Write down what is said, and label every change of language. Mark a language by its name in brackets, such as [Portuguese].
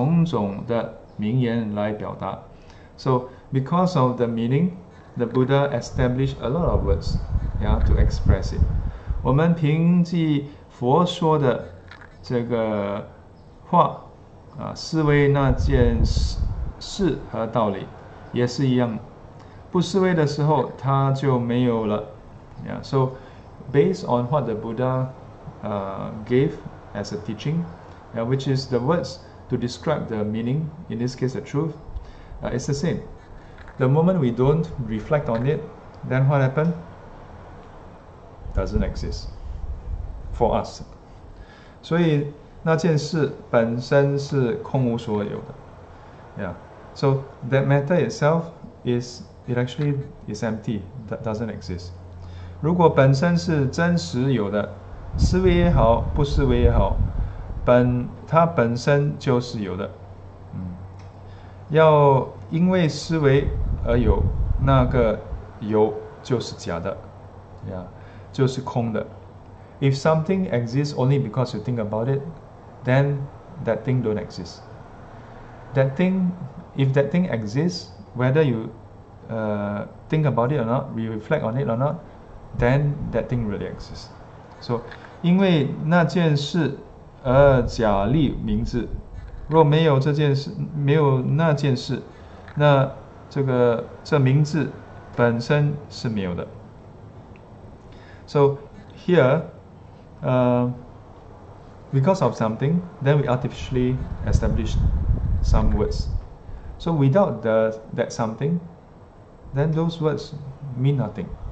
[Chinese] 佛因为那个道理安立种种的名言来表达. [English] So, because of the meaning, the Buddha established a lot of words, yeah, to express it. [Chinese] 我们凭藉佛说的这个话, 思维那件事和道理, 也是一样, 不思维的时候, 它就没有了. [English] Yeah, so, based on what the Buddha gave as a teaching, yeah, which is the words to describe the meaning, in this case the truth, it's the same. The moment we don't reflect on it, then what happened? Doesn't exist for us. [Chinese] 所以那件事本身是空无所有的. [English] Yeah. So that matter itself is it actually is empty, that doesn't exist. [Chinese] 如果本身是真实有的，思维也好，不思维也好，它本身就是有的。要因为思维而有，那个有就是假的，就是空的。 [English] If something exists only because you think about it, then that thing don't exist. If that thing exists, whether you think about it or not, we reflect on it or not, then that thing really exists. [Chinese] So, 因为那件事而假立名字，若没有这件事，没有那件事，那这名字本身是没有的。 [English] So, here, because of something, then we artificially establish some words. So without that something, then those words mean nothing.